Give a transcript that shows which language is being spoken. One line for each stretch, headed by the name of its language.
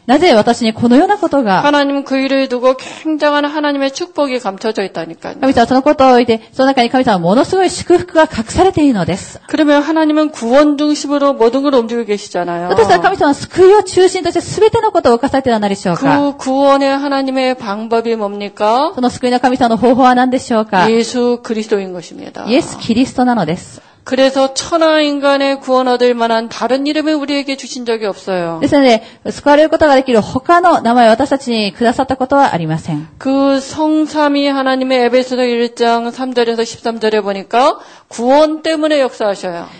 Japanese: なぜ私にこのようなことが？
Korean: 하나님그일을두고굉장한하나님의축복이감춰져있다니까요。
Japanese: 神様そのことを置いて、その中に神様はものすごい祝福が隠されているのです。
Korean: 그러면하나님은구원중심으로모든을움직이고계시잖아요。
Japanese: 私たちは神様は救いを中心として全てのことを犯されているのでしょうか。
Korean: 그구원의하나님의방법이뭡니까？
Japanese: その救いの神様の方法は何でしょうか？
Korean: 예수그리스도인것입니다。
Japanese: イエス・キリストなのです。
Korean: 그래서천하인간의구원얻을만한다른이름을우리에게주신적이없어요。
Japanese: ですので、救われることができる他の名前を私たちにくださったことはありません。
Korean: 그성삼위하나님의에베소서1장3절에서13절에보니까구원때문에역사하셔요。